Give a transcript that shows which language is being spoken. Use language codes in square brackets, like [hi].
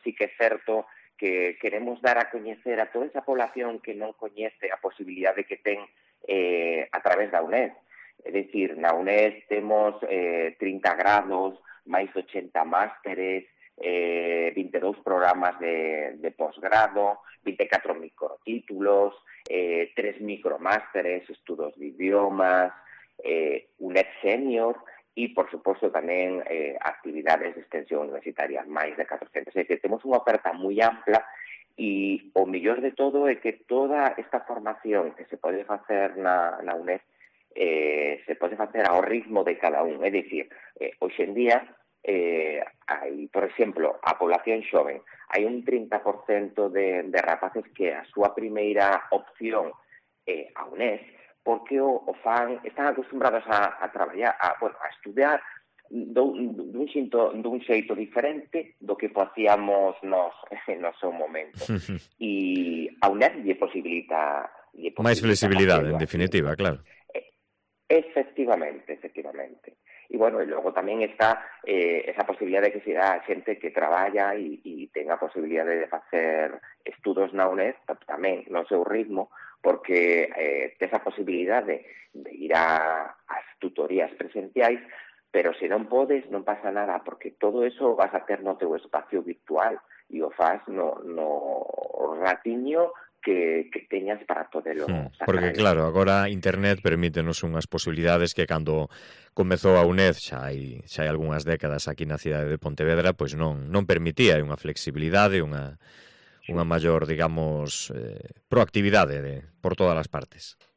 [gl] Sí que é certo que queremos dar a coñecer a toda esa población que non coñece a posibilidad de que ten a través da UNED. É dicir, na UNED temos 30 grados, máis 80 másteres, 22 programas de posgrado, 24 microtítulos, 3 micromásteres, estudos de idiomas, [es] UNED senior y, por supuesto, también actividades de extensión universitaria, más de 400. Es decir, tenemos una oferta muy amplia y, o mejor de todo, es que toda esta formación que se puede hacer en la UNED se puede hacer a un ritmo de cada uno. [gl] Es decir, hoy en día, hay, por exemplo, a población xoven, hai un 30% de rapaces que a súa primeira opción a UNED, porque o fan están acostumbrados a traballar, a estudiar dun xeito diferente do que facíamos no seu momento. E a UNED lle posibilita máis flexibilidade, en definitiva, claro. Efectivamente. [es] Y bueno, y luego también está esa posibilidad de que se da a gente que trabaja y tenga posibilidad de hacer estudios na UNED, también, no sé, un ritmo, porque esa posibilidad de ir a tutorías presenciales, pero si no puedes, no pasa nada, porque todo eso vas a hacer no teu espacio virtual y o fas no ratiño que teñas para poderlo sacar. [gl] Porque claro, agora internet permítenos unhas posibilidades que cando comezou a UNED xa hai algunhas décadas aquí na cidade de Pontevedra, pois non permitía unha flexibilidade, unha maior, digamos, proactividade por todas as partes.